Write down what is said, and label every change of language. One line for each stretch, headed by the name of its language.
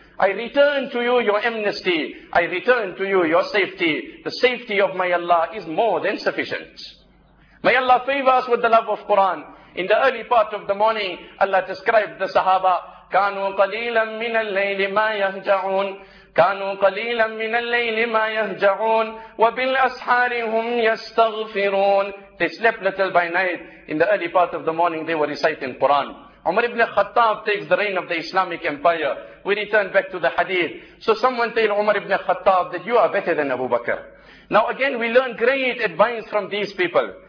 English: I return to you your amnesty. I return to you your safety. The safety of my Allah is more than sufficient. May Allah favor us with the love of Quran. In the early part of the morning, Allah described the Sahaba.
Arabic: كَانُوا قَلِيلًا مِنَ اللَّيْلِ مَا يَهْجَعُونَ. كانوا قليلا من الليل ما يهجعون وبالأسحار هم يستغفرون.
English: They slept little by night. In the early part of the morning, they were reciting Quran. Umar ibn Khattab takes the reign of the Islamic Empire. We return back to the hadith. So someone tell Umar ibn Khattab that you are better than Abu Bakr. Now again, we learn great advice from these people.